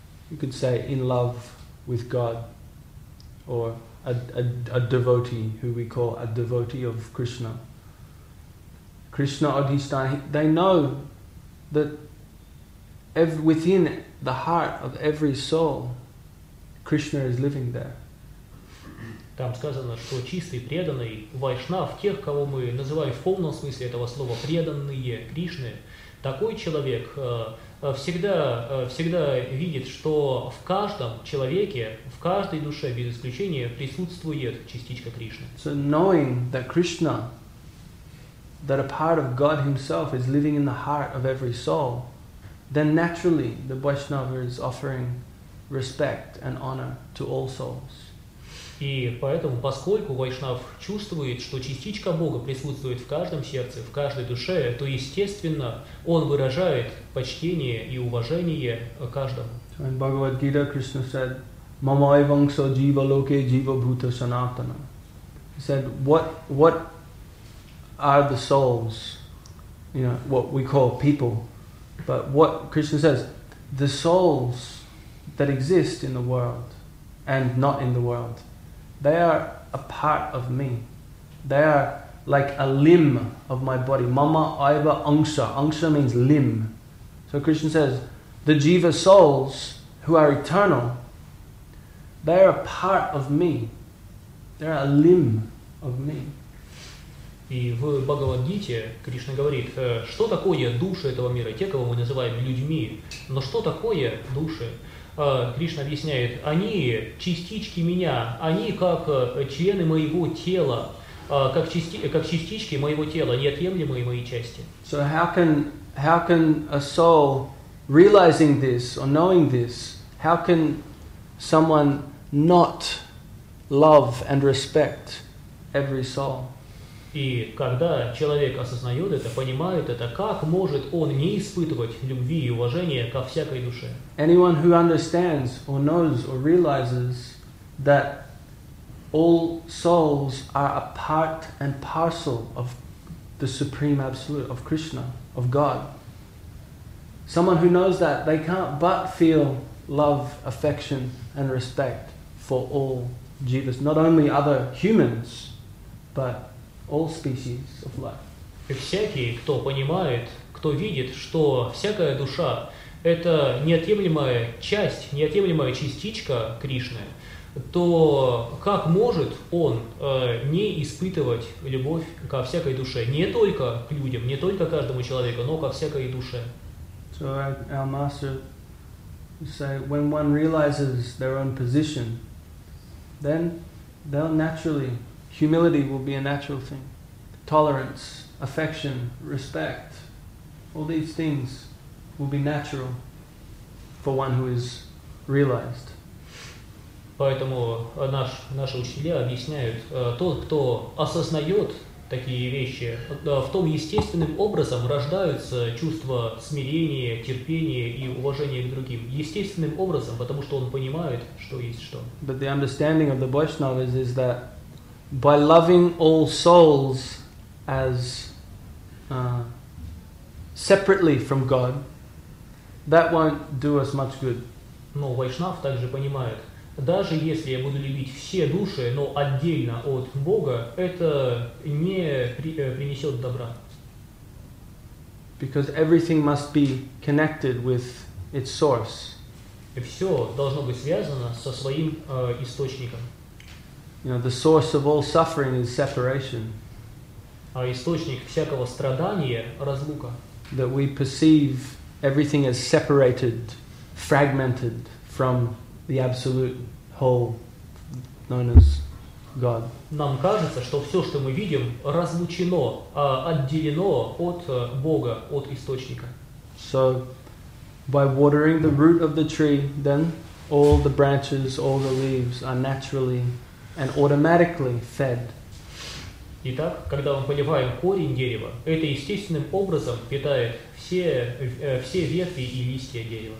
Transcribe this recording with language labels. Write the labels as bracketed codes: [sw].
[en] you could say, in love with God, or a devotee, who we call a devotee of Krishna. Krishna Adhisthana, they know that within the heart of every soul, Krishna is living there. [ru] Там сказано, что чистый преданный вайшнав, тех, кого мы называем в полном смысле этого слова преданные Кришны, такой человек всегда видит, что в каждом человеке, в каждой душе без исключения присутствует частичка Кришны. [en] So knowing that Krishna, that a part of God Himself is living in the heart of every soul, then naturally the Vaishnava is offering respect and honor to all souls. [ru] И поэтому, поскольку вайшнав чувствует, что частичка Бога присутствует в каждом сердце, в каждой душе, то, естественно, он выражает почтение и уважение каждому. В Бхагавад-гите Кришна [en] said, [sa] "Мамайвангса джива локе джива бхута санатана." [en] He said, what are the souls, you know, what we call people, but what Krishna says, the souls that exist in the world and not in the world, they are a part of me. They are like a limb of my body. [sa] Mama aiva angsa. [en] Angsa means limb. So Krishna says, the jiva souls who are eternal, they are a part of me. They are a limb of me. [ru] И в Бхагавад-гите Кришна говорит, что такое души этого мира, те, кого мы называем людьми. Но что такое души? Кришна объясняет, они частички меня, они как члены моего тела, как частички моего тела, неотъемлемые мои части. [en] So how can a soul realizing this or knowing this, how can someone not love and respect every soul? [ru] И когда человек осознает это, понимает это, как может он не испытывать любви и уважения ко всякой душе? [en] Anyone who understands or knows or realizes that all souls are a part and parcel of the Supreme Absolute, of Krishna, of God. Someone who knows that, they can't but feel love, affection and respect for all jivas, not only other humans, but all species of life. [ru] Всякий, кто понимает, к кто видит, что всякая душа – это неотъемлемая часть, неотъемлемая частичка Кришны, то как может он не испытывать любовь ко всякой душе, не только к людям, не только к каждому человеку, но ко всякой душе? [en] So our master say, when one realizes their own position, then they'll naturally, humility will be a natural thing. Tolerance, affection, respect, all these things will be natural for one who is realized. [ru] Поэтому наши учителя объясняют, тот, кто осознает такие вещи, в том естественным образом рождаются чувства смирения, терпения и уважения к другим. Естественным образом, потому что он понимает, что есть что. [en] But the understanding of the Vaishnavas is that by loving all souls as separately from God, that won't do us much good. [ru] Но Вайшнав также понимает, даже если я буду любить все души, но отдельно от Бога, это не принесет добра. [en] Because everything must be connected with its source. [ru] Все должно быть связано со своим источником. [en] You know, the source of all suffering is separation. [ru] А источник всякого страдания – разлука. [en] That we perceive everything as separated, fragmented from the absolute whole known as God. [ru] Нам кажется, что все, что мы видим, разлучено, отделено от Бога, от источника. [en] So, by watering the root of the tree, then all the branches, all the leaves are naturally and automatically fed. [ru] Итак, когда мы поливаем корень дерева, это естественным образом питает все ветви и листья дерева.